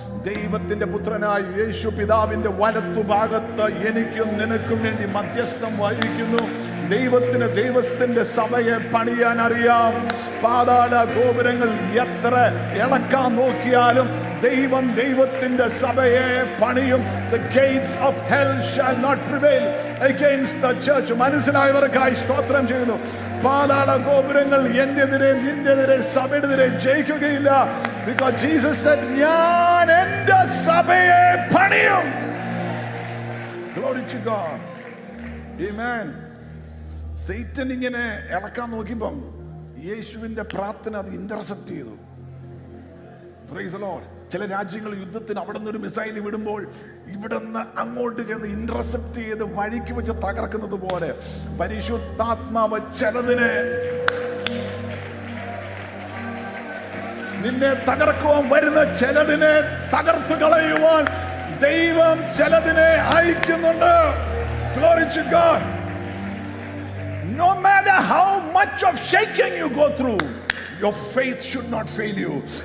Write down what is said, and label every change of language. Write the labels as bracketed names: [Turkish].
[Malayalam] ദൈവത്തിന്റെ പുത്രനായ യേശു പിതാവിന്റെ വലത്തുഭാഗത്ത് എനിക്കും നിനക്കും വേണ്ടി മധ്യസ്ഥം വഹിക്കുന്നു. ദൈവത്തിന് ദൈവത്തിന്റെ സഭയെ പണിയാൻ അറിയാം. പാതാള ഗോപുരങ്ങൾ എത്ര ഇളക്കാൻ നോക്കിയാലും ദൈവം ദൈവത്തിന്റെ സഭയെ പണിയും. [English] The gates of hell shall not prevail against the church. [Malayalam] മനസ്സിലായവർക്കായി സ്തോത്രം ചെയ്യുന്നു. പാതാള ഗോപുരങ്ങൾ എന്റെതിരെ നിന്റെതിരെ സഭയുടെതിരെ ജയിക്കുകയില്ല. [English] Because Jesus said, [Malayalam] ഞാൻ എന്റെ സഭയെ പണിയും. [English] Glory to God. Amen. [Malayalam] Satan ഇങ്ങനെ ഇളക്കാൻ നോക്കിയപ്പം യേശുവിന്റെ പ്രാർത്ഥന അത് ഇന്റർസെപ്റ്റ് ചെയ്തു. [English] Praise the lord. [Malayalam] ചില രാജ്യങ്ങൾ യുദ്ധത്തിന് അവിടെ നിന്ന് ഒരു മിസൈൽ വിടുമ്പോൾ ഇവിടെ നിന്ന് അങ്ങോട്ട് ചെന്ന് ഇന്റർസെപ്റ്റ് ചെയ്ത് വഴിക്ക് വെച്ച് തകർക്കുന്നത് പോലെ പരിശുദ്ധാത്മാവ് ചിലതിനെ നിന്നെ തകർക്കുവാൻ വരുന്ന ചിലതിനെ തകർത്തു കളയുവാൻ ദൈവം ചിലതിനെ അയക്കുന്നുണ്ട്. [English] No matter how much of shaking you go through, your faith should not fail you.